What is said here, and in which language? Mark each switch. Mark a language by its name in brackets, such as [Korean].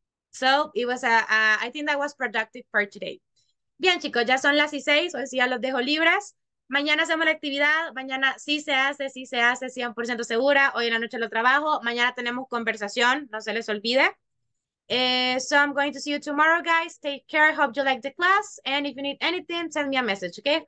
[English] So, it was I think that was productive for today. [Spanish] Bien, chicos, ya son las 6:00, hoy sí ya los dejo libres. Mañana hacemos la actividad, mañana sí se hace, 100% segura. Hoy en la noche lo trabajo, mañana tenemos conversación, no se les olvide. [English] So I'm going to see you tomorrow, guys. Take care, hope you like the class. And if you need anything, send me a message, okay?